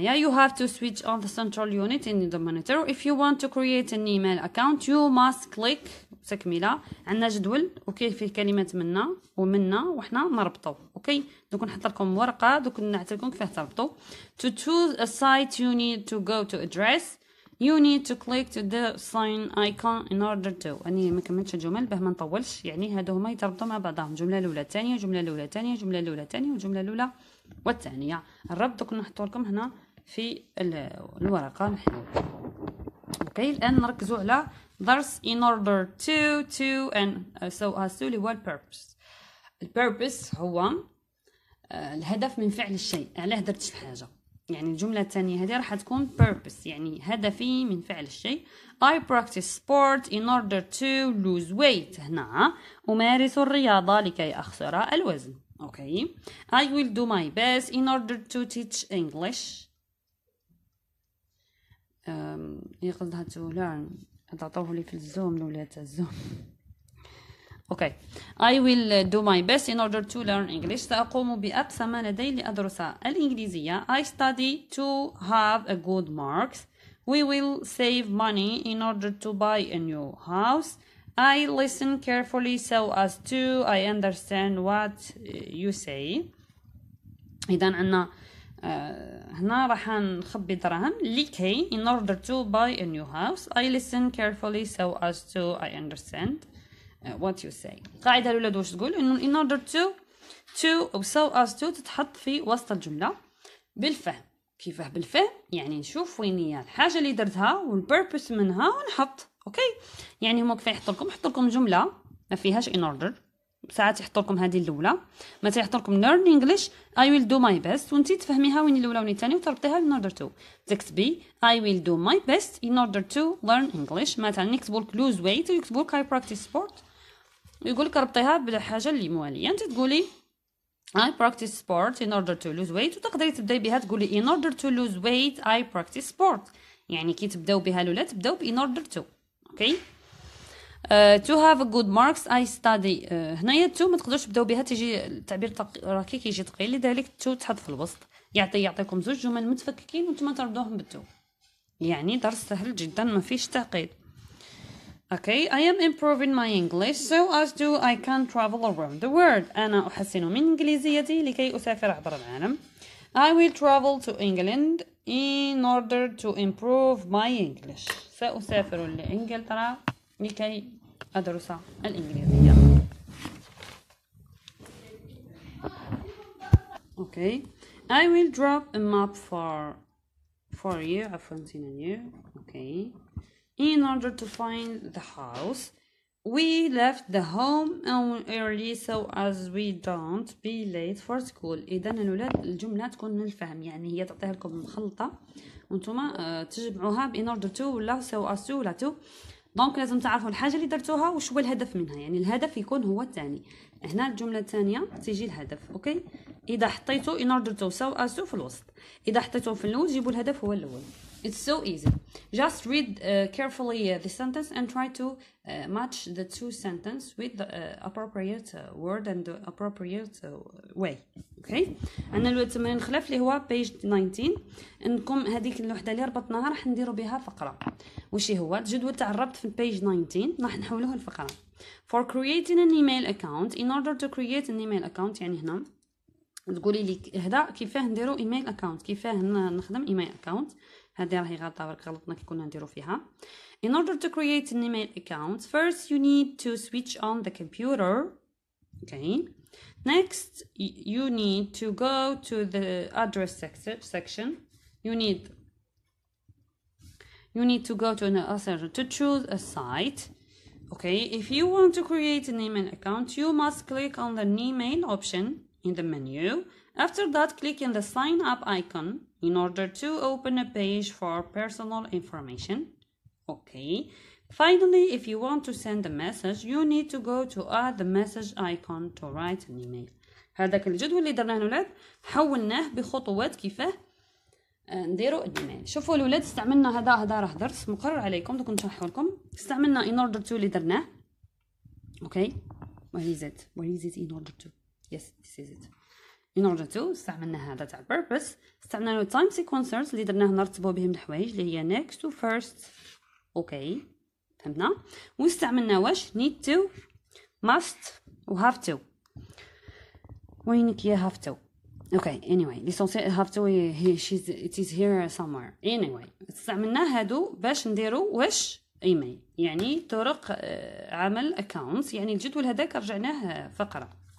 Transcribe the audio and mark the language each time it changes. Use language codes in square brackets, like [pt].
[en] Yeah, you have to switch on the central unit in the monitor. If you want to create an email account you must click تكملة. [ar] عندنا جدول، اوكي، فيه كلمات منا ومنا وحنا نربطو. اوكي، دوك نحط لكم ورقة، دوك نعطي لكم كيفاه تربطو. [en] To choose a site you need to go to address you need to click to the sign icon in order to. [ar] اني ما كملتش الجمل باه ما نطولش، يعني هادو هما يتربطوا مع بعضهم، جمله الاولى الثانيه جمله الاولى الثانيه جمله الاولى الثانيه وجمله الاولى والثانيه. الربط دوك نحطو لكم هنا في الورقه نحلو. اوكي، الان نركزوا على درس [en] in order to to and so as to what purpose. [ar] البيربس هو الهدف من فعل الشيء، علاه درت الحاجه. يعني الجملة الثانية هذه راح تكون purpose يعني هدفي من فعل الشيء. [en] I practice sport in order to lose weight. [ar] هنا أمارس الرياضة لكي أخسر الوزن. [en] Okay. I will do my best in order to teach English. [ar] يقصد هاتو learn. هتعطوه لي في الزوم لوليات الزوم. [en] Okay. I will do my best in order to learn English. [ar] سأقوم بأقصى ما لدي لأدرس الإنجليزية. [en] I study to have a good marks. We will save money in order to buy a new house. I listen carefully so as to I understand what you say. [ar] إذن عنا هنا راح نخبي درهم لكي [en] in order to buy a new house. I listen carefully so as to I understand what you say. [ar] قاعدة الأولاد وش تقول إنه [en] in order to so as to [ar] تتحط في وسط الجملة بالفهم. كيفه بالفهم؟ يعني نشوف وين هي الحاجة اللي درتها والبربس منها ونحط. أوكي يعني هما كيف يحط لكم؟ يحط لكم جملة ما فيهاش in order. ساعات يحط لكم هذه الأولى. متى يحط لكم [en] learn English I will do my best [ar] وانتي تفهميها وين الأولى وين الثانية وتربطيها [en] in order to. [ar] تكتبي [en] I will do my best in order to learn English. [ar] مثلا نكتب لك [en] lose weight [ar] ويكتب لك [en] I practice sport. [ar] يقول لك ربطيها بالحاجة اللي موالية. أنت تقولي [en] I practice sport in order to lose weight [ar] وتقدري تبدأي بها تقولي [en] in order to lose weight I practice sport. [ar] يعني كي تبدأوا بها الأولى تبدأوا ب [en] in order to. [ar] أوكي [en] to have a good marks I study [ar] هنا تو ما تقدرش تبدأوا بها تجي التعبير راكي كيجي ثقيل لذلك تو تحط في الوسط يعطيكم زوج جمل متفككين وانتم تربطوهم بالتو. يعني درس سهل جدا ما فيش تعقيد. [en] Okay, I am improving my English so as to I can travel around the world. [ar] أنا أحسن من إنجليزيتي لكي أسافر عبر العالم. [en] I will travel to England in order to improve my English. [ar] سأسافر لإنجلترا لكي أدرس الإنجليزية. [en] Okay, I will drop a map for you. Okay. In order to find the house, we left the home early so as we don't be late for school. [ar] إذن الأولاد الجملة تكون من الفهم يعني هي تعطيها لكم مخلطة وانتم تجمعوها ب [en] in order to [ar] ولا [en] so as to [ar] ولا to. دونك لازم تعرفوا الحاجة اللي درتوها وش هو الهدف منها. يعني الهدف يكون هو الثاني. هنا الجملة الثانية تيجي الهدف. أوكي إذا حطيته [en] in order to so as to [ar] في الوسط. إذا حطيته في الأول جيبوا الهدف هو الأول. [en] It's so easy. Just read carefully the sentence and try to match the two sentences with the appropriate word and the appropriate way. Okay? [ar] أنا الوقت من الخلاف اللي هو page 19 إنكم هذيك الوحدة اللي ربطناها رح نديروا بها فقرة. وشي هو؟ جدول تعربت في page 19 رح نحوله الفقرة. [en] For creating an email account, in order to create an email account [ar] يعني هنا تقولي لي هدا كيفاه نديروا [en] email account [ar] كيفاه نخدم [en] email account. [ar] هذه راهي غلطة برك غلطنا كي كنا نديرو فيها. [en] In order to create an email account, first you need to switch on the computer. Okay. Next, you need to go to the address section. You need to go to an address to choose a site. Okay. If you want to create an email account, you must click on the email option in the menu. After that, click in the sign up icon. In order to open a page for personal information. Okay. Finally, if you want to send a message, you need to go to add the message icon to write an email. [ar] هذاك الجدول اللي درناه الأولاد حولناه بخطوات كيفاه نديروا الإيميل. شوفوا الأولاد استعملنا هذا درس مقرر عليكم دوك نشرح لكم. استعملنا [en] in order to [ar] اللي درناه. [en] Okay. What is it in order to? Yes, this is it. In order to [ar] استعملنا هذا تاع purpose. استعملنا time sequencers اللي درناه نرتبوا بهم الحوايج اللي هي [en] next to first. [ar] Okay. فهمنا. واستعملنا واش [en] need to must [ar] و [en] have to. [ar] وينك يا [en] have to. Okay anyway لسونسيال have to it is here somewhere. [ar] Anyway استعملنا هادو باش نديرو واش email يعني طرق عمل accounts يعني الجدول هذاك رجعناه فقرة.